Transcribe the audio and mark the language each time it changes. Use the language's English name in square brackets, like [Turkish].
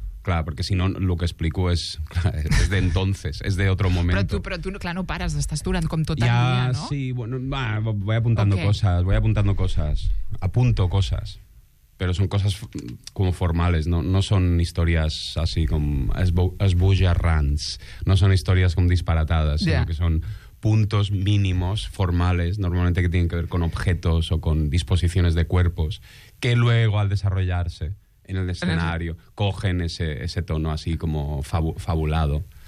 [Catalan] Clar, perquè si no, el que explico és... És d'entonces, és d'altre moment. Però tu, clar, no pares, estàs durant com tot el dia, no? [Spanish] Sí, bueno, voy apuntando cosas. Apunto cosas. [Catalan] Però són coses com formales, no són històries així com esbojarrants. No són històries com disparatades, sinó que [Spanish] són puntos mínimos, formales, normalmente que tienen que ver con objetos o con disposiciones de cuerpos, que luego, al desarrollarse en el escenario, cogen ese tono así como fabulado.